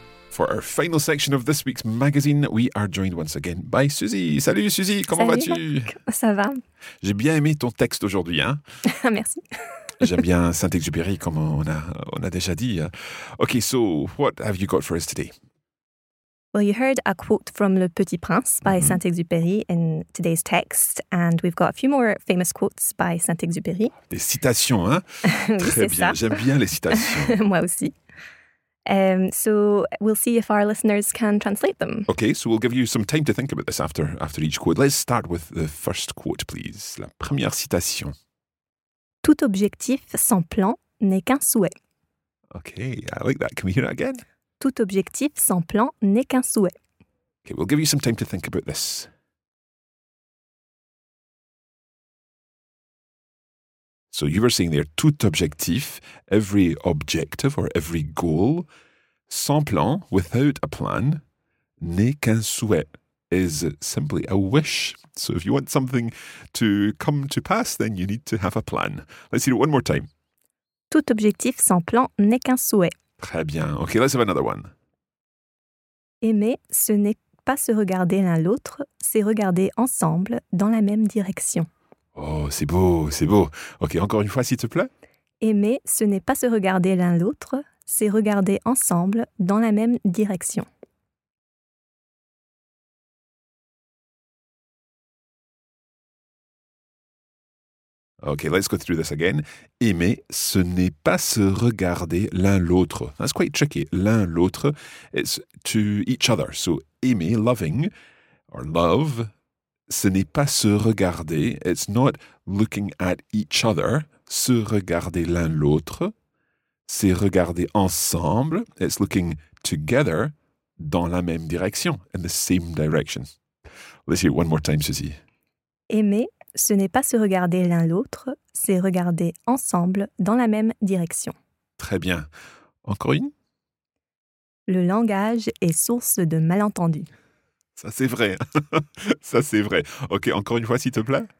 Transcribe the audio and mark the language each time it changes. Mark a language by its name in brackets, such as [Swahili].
[English] For our final section of this week's magazine, we are joined once again by Susie. [French] Salut Susie, comment Salut, vas-tu? Ça va. J'ai bien aimé ton texte aujourd'hui. Hein? Merci. J'aime bien Saint-Exupéry, comme on a déjà dit. [English] Okay, so what have you got for us today? Well, you heard a quote from Le Petit Prince by mm-hmm. Saint-Exupéry in today's text, and we've got a few more famous quotes by Saint-Exupéry. [French] Des citations, hein? Oui, très bien, ça. J'aime bien les citations. Moi aussi. [English] So we'll see if our listeners can translate them. Okay, so we'll give you some time to think about this after each quote. Let's start with the first quote, please. [French] La première citation. Tout objectif sans plan n'est qu'un souhait. [English] Okay, I like that. Can we hear it again? [French] Tout objectif sans plan n'est qu'un souhait. [English] Okay, we'll give you some time to think about this. So you were saying there, [French] tout objectif, [English] every objective or every goal, [French] sans plan, [English] without a plan, [French] n'est qu'un souhait, [English] is simply a wish. So if you want something to come to pass, then you need to have a plan. Let's hear it one more time. [French] Tout objectif sans plan n'est qu'un souhait. Très bien. [English] Okay, let's have another one. [French] Aimer, ce n'est pas se regarder l'un l'autre, c'est regarder ensemble dans la même direction. Oh, c'est beau, c'est beau. Ok, encore une fois, s'il te plaît. Aimer, ce n'est pas se regarder l'un l'autre, c'est regarder ensemble dans la même direction. [English] Ok, let's go through this again. [French] Aimer, ce n'est pas se regarder l'un l'autre. [English] That's quite tricky. [French] L'un l'autre, [English] it's to each other. [French] So, aimer, [English] loving, or love, [French] ce n'est pas se regarder, [English] it's not looking at each other, [French] se regarder l'un l'autre, c'est regarder ensemble, [English] it's looking together, [French] dans la même direction, [English] in the same direction. Let's hear it one more time, Susie. [French] Aimer, ce n'est pas se regarder l'un l'autre, c'est regarder ensemble, dans la même direction. Très bien. Encore une? Le langage est source de malentendus. Ça, c'est vrai. Ça, c'est vrai. OK, encore une fois, s'il te plaît.